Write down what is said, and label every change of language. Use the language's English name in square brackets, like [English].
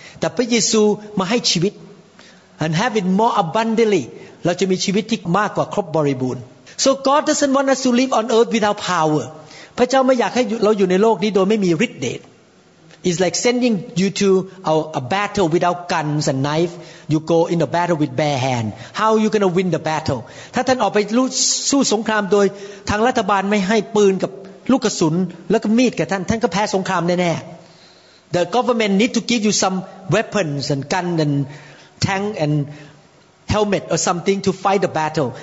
[Thai] แต่พระเยซูมาให้ชีวิต [English] And have it more abundantly. [Thai] เราจะมีชีวิตที่มากกว่าครบบริบูรณ์ [English] So God doesn't want us to live on earth without power. [Thai] พระเจ้าไม่อยากให้เราอยู่ในโลกนี้โดยไม่มีฤทธิ์เดช It's like sending you to a battle without guns and knife. [English] You go in the battle with bare hand. How are you going to win the battle? [Thai] ถ้าท่านออกไปสู้สงครามโดยทางรัฐบาลไม่ให้ปืนกับลูกกระสุนแล้วก็มีดกับท่านท่านก็แพ้สงครามแน่ๆ [English] The government need to give you some weapons and guns andTank and helmet or something to fight the battle.